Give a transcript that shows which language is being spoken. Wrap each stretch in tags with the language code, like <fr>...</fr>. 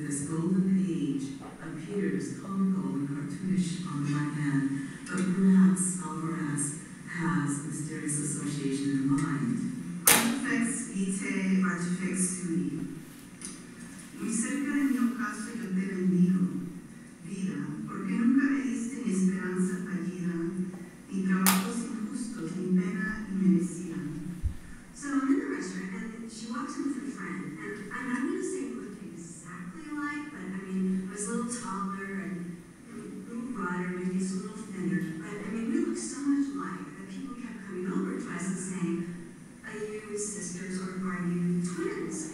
<en>golden age appears comical and cartoonish on the one hand, but perhaps Alvarez has mysterious association in mind.</en> <la>Artifex vitae, artifex tui.</la> <es>Mi cerca en mi ocaso yo te bendigo, vida, porque nunca me diste mi esperanza fallida, ni trabajos injustos, ni pena ni merecida.</es> <en>So I'm in the restaurant, and she walks in with her friend, and I'm not going to say we looked exactly alike, but I mean, I was a little taller, and a little broader, maybe it's a little thinner, but I mean, we looked so much alike that people kept coming over to us and saying, are you sisters or are you twins?</en>